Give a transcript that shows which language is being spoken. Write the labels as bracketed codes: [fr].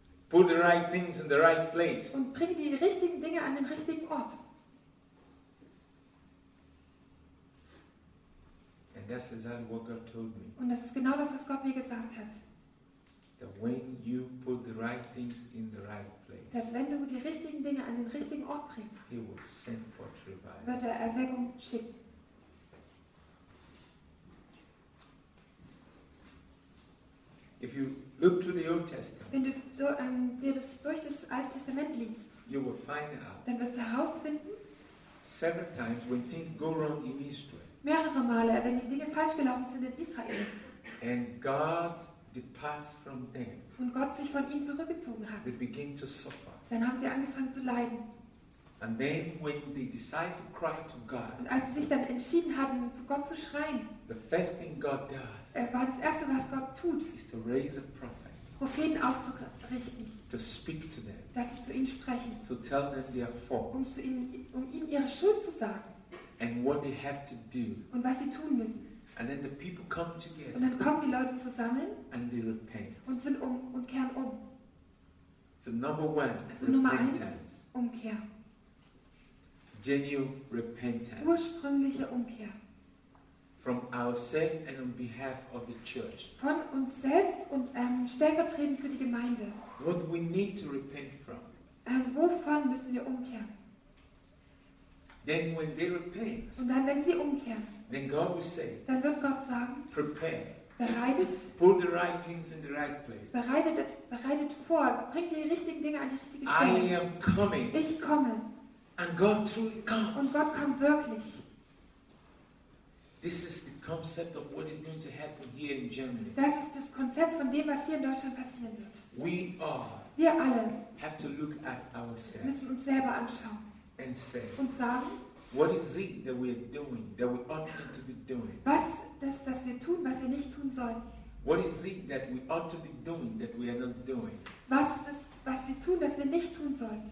[en] Put the right things in the right place. [de] Und bring die richtigen Dinge an den richtigen Ort. [en] And that's exactly what God told me. [de] Und das ist genau das, was Gott mir gesagt hat. [en] That when you put the right things in the right place. [de] Dass wenn du die richtigen Dinge an den richtigen Ort bringst. [en] He will send for revival. [de] Wird er Erweckung schicken. [en] If you look to the Old Testament. [de] Wenn du dir das durch das Alte Testament liest. [en] You will find out. [de] Dann wirst du herausfinden. [en] Several times when things go wrong in Israel. [de] Mehrere Male, wenn die Dinge falsch gelaufen sind in Israel. [en] And God departs from them. [de] Und Gott sich von ihnen zurückgezogen hat. [en] They begin to suffer. [de] Dann haben sie angefangen zu leiden. [en] And then when they decide to cry to God. [de] Und als sie sich dann entschieden hatten, zu Gott zu schreien. [en] The first thing God does. [de] War das Erste, was Gott tut, [en] is to raise a prophet, [de] Propheten aufzurichten, [en] to speak to them, [de] dass sie zu ihnen sprechen, [en] to tell them their faults, [de] um ihnen ihre Schuld zu sagen [en] and what they have to do, [de] und was sie tun müssen. [en] And then the people come together, [de] und dann kommen die Leute zusammen [en] and they repent. [de] Und sind um und kehren um. [en] So number one, [de] also Nummer eins, Umkehr. [en] Genuine repentance. [de] Ursprüngliche Umkehr. [en] From ourselves and on behalf of the church. [de] Von uns selbst und stellvertretend für die Gemeinde. [en] What we need to repent from. [de] Wovon müssen wir umkehren? [en] Then when they repent. [de] Und dann wenn sie umkehren. [en] Then God will say. [de] Dann wird Gott sagen. [en] Prepare. [de] Bereitet. [en] Put the right things in the right place. [de] Bereitet vor. Bringt die richtigen Dinge an die richtige Stelle. [en] I am coming. [de] Ich komme. [en] And God truly comes. [de] Und Gott kommt wirklich. [en] This is the concept of what is going to happen here in Germany. [de] Das ist das Konzept von dem, was hier in Deutschland passieren wird. [en] We all. [de] Wir alle. [en] Have to look at ourselves. [de] Müssen uns selber anschauen. [en] And say. [de] Und sagen. [en] What is it that we are doing that we ought not to be doing? [de] Was ist das, wir tun, was wir nicht tun sollen? [en] What is it that we ought to be doing that we are not doing? [de] Was ist das, was wir tun, das wir nicht tun sollen?